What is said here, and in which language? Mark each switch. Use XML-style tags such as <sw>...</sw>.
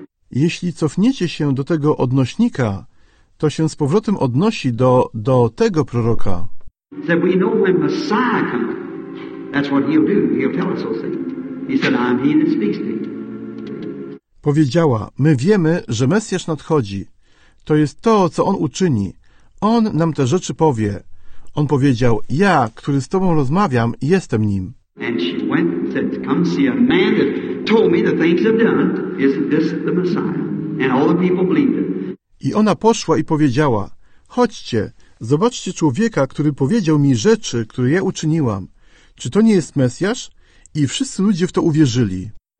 <pl>Jeśli cofniecie się do tego odnośnika, to się z powrotem odnosi do tego proroka.</pl> <en>Said we know when Messiah comes. That's what he'll do. He'll tell us those things. He said, "I'm he that speaks to me."</en> <pl>Powiedziała, my wiemy, że Mesjasz nadchodzi. To jest to, co on uczyni. On nam te rzeczy powie. On powiedział, ja, który z tobą rozmawiam, jestem nim.</pl> <en>And she went and said, "Come see a man that told me the things I've done. Isn't this the Messiah?" And all the people believed it.</en> <pl>I ona poszła i powiedziała, chodźcie. Zobaczcie człowieka, który powiedział mi rzeczy, które ja uczyniłam. Czy to nie jest Mesjasz? I wszyscy ludzie w to uwierzyli.</pl>